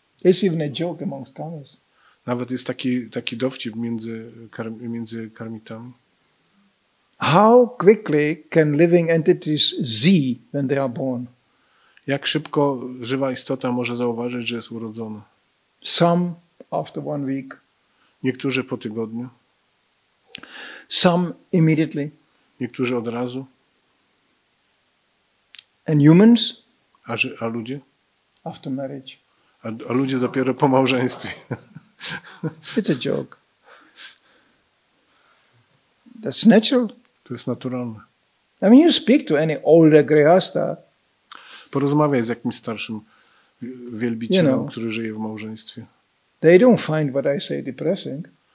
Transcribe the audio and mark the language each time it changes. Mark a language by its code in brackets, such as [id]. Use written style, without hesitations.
[en] It's even a joke amongst karmis. [pl] Nawet jest taki dowcip między karmitami. [en] How quickly can living entities see when they are born? [pl] Jak szybko żywa istota może zauważyć, że jest urodzona? [en] Some after 1 week. [pl] Niektórzy po tygodniu. [en] Some immediately. [pl] Niektórzy od razu. [en] And humans? [pl] A ludzie? [en] After marriage. [pl] A ludzie dopiero po małżeństwie. [en] It's a joke. That's natural. [pl] To jest naturalne. [en] I mean, you speak to any older grihastha. [pl] Porozmawiaj z jakimś starszym wielbicielem, [en] you know, [pl] który żyje w małżeństwie. [en] They don't find what I say depressing.